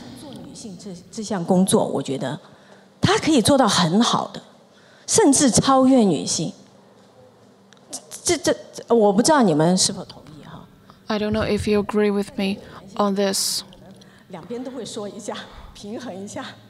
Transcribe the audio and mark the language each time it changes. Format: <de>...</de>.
<zh>做女性这项工作，我觉得她可以做到很好的，甚至超越女性。这，我不知道你们是否同意哈。</zh> <en>I don't know if you agree with me on this.</en> <zh>两边都会说一下，平衡一下。</zh>